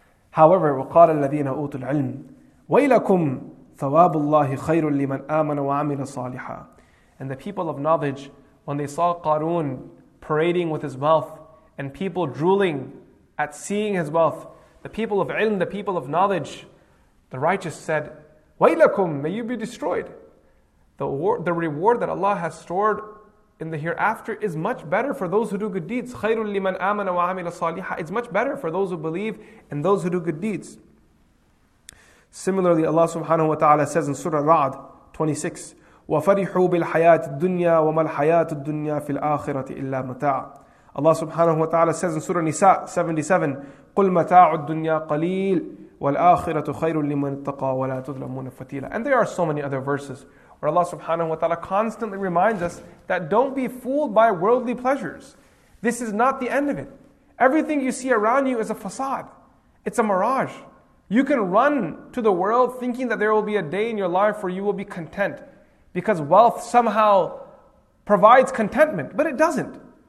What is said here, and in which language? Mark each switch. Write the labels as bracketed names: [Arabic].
[English] However, [Arabic] وَقَالَ الَّذِينَ أُوتُوا الْعِلْمِ وَيْلَكُمْ ثَوَابُ اللَّهِ خَيْرٌ لِمَنْ آمَنَ وَعَمِلَ صَالِحًا. [English] And the people of knowledge, when they saw Qarun parading with his wealth and people drooling at seeing his wealth, the people of ilm, the people of knowledge, the righteous said, وَيْلَكُمْ, may you be destroyed. The reward that Allah has stored in the hereafter is much better for those who do good deeds. [Arabic] خَيْرٌ لِّمَنْ آمَنَ وَعَمِلَ صَالِحًا. [English] It's much better for those who believe and those who do good deeds. Similarly, Allah subhanahu wa ta'ala says in Surah Ra'd 26, [Arabic] وَفَرِحُوا بِالْحَيَاةِ الدُّنْيَا وَمَا الْحَيَاةُ الدُّنْيَا فِي الْآخِرَةِ إِلَّا مَتَاعٌ. [English] Allah subhanahu wa ta'ala says in Surah Nisa 77, [Arabic] قُلْ مَتَاعُ الدُّنْيَا قَلِيلٌ وَالْآخِرَةُ خَيْرٌ لِّمَنِ اتَّقَى وَلَا تُظْلَمُونَ فَتِيلًا. [English] And there are so many other verses where Allah subhanahu wa ta'ala constantly reminds us that don't be fooled by worldly pleasures. This is not the end of it. Everything you see around you is a facade. It's a mirage. You can run to the world thinking that there will be a day in your life where you will be content because wealth somehow provides contentment, but it doesn't.